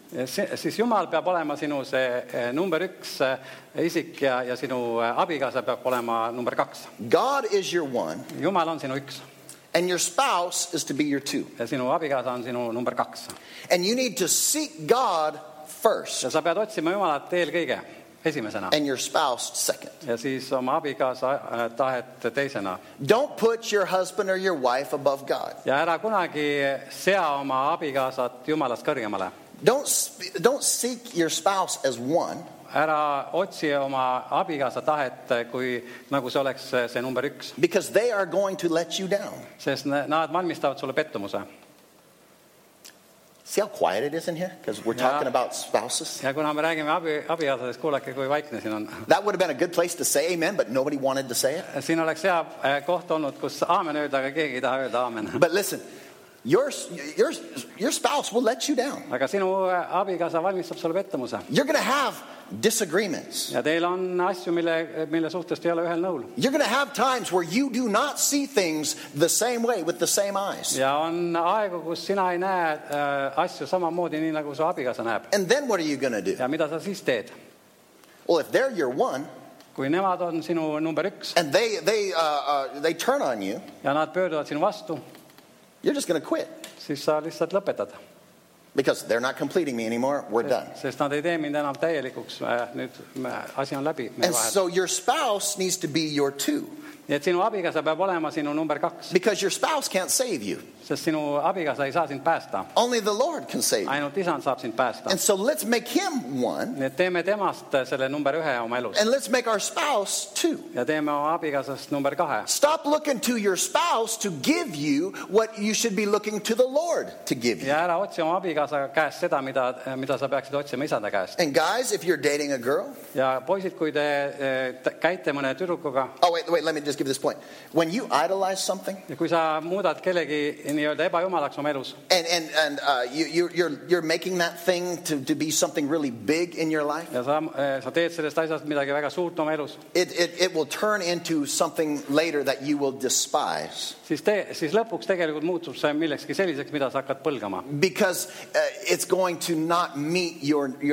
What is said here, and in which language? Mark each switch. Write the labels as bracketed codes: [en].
[et] Siis Jumal peab olema sinu see number üks isik ja sinu abikaasa peab olema number kaks. [en] God is your one. [et] Jumal on sinu üks. [en] And your spouse is to be your two. [et] Ja sinu abikaasa on sinu number kaks. [en] And you need to seek God first. [et] Ja sa pead otsima Jumalat eelkõige. [en] And your spouse second. [et] Ja siis oma abikaasa tahet teisena. [en] Don't put your husband or your wife above God. [et] Ja ära kunagi sea oma abikaasat Jumalast kõrgemale. [en] Don't seek your spouse as one. [et] Ära otsi oma abikaasa tahet kui nagu see oleks see number üks. [en] Because they are going to let you down. [et] Sest nad valmistavad sulle pettumuse. [en] See how quiet it is in here? Because we're talking about spouses. [et] Ja kuna me räägime abiasades, kuulake, kui vaikne siin on. [en] That would have been a good place to say amen, but nobody wanted to say it. [et] Siin oleks hea koht olnud, kus aamen öelda, aga keegi ei taha öelda aamen. [en] But listen, your spouse will let you down. [et] Aga sinu abikaasa valmistab sulle pettumuse. [en] You're going to have disagreements. [et] Ja teil on asju, mille suhtest ei ole ühel nõul. [en] You're going to have times where you do not see things the same way with the same eyes. [et] Ja on aegu, kus sina ei näe asju samamoodi nii nagu su abikaasa näeb. [en] And then what are you going to do? [et] Ja mida sa siis teed? [en] Well, if they're your one, [et] kui nemad on sinu number üks, [en] and they turn on you, [et] ja nad pöörduvad sinu vastu, [en] you're just going to quit. [et] Siis sa lihtsalt lõpetad. [en] Because they're not completing me anymore, we're done. [et] Sest nad ei tee mind enam täielikuks, nüüd asi on läbi. [en] And so your spouse needs to be your two. [et] Et sinu abikaasa peab olema sinu number kaks. [en] Because your spouse can't save you. [et] Sest sinu abikaasa ei saa sind päästa. [en] Only the Lord can save you. [et] Ainult isand saab sind päästa. [en] And so let's make him one. [et] Et teeme temast selle number ühe oma elus. [en] And let's make our spouse two. [et] Ja teeme oma abikaasast number kahe. [en] Stop looking to your spouse to give you what you should be looking to the Lord to give you. [et] Ja ära otsi oma abikaasa käest seda, mida sa peaksid otsima isanda käest. [en] And guys, if you're dating a girl. [et] Ja poisid, kui te käite mõne tüdrukuga. [en] Oh, wait, let me just give this point. When you idolize something, [et] kui sa muudad kellegi nii-öelda ebajumalaks oma elus, [en] and you're making that thing to be something really big in your life, [et] ja sa teed sellest asjast midagi väga suurt oma elus, [en] it will turn into something later that you will despise. [et] Siis lõpuks tegelikult muutub see millekski selliseks, mida sa hakkad põlgama. [en] Because it's going to not meet your